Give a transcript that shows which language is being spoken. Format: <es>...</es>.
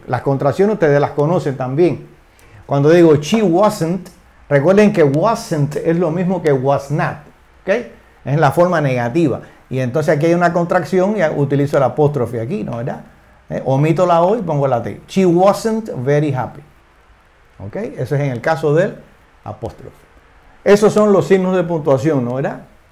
<es>Las contracciones ustedes las conocen también. Cuando digo she wasn't, recuerden que wasn't es lo mismo que was not. ¿Okay? Es la forma negativa. Y entonces aquí hay una contracción y utilizo el apóstrofe aquí, ¿no verdad? Omito la O y pongo la T.</es> <en>She wasn't very happy.</en> <es>¿Okay? Eso es en el caso del apóstrofe. Esos son los signos de puntuación, ¿no verdad?</es>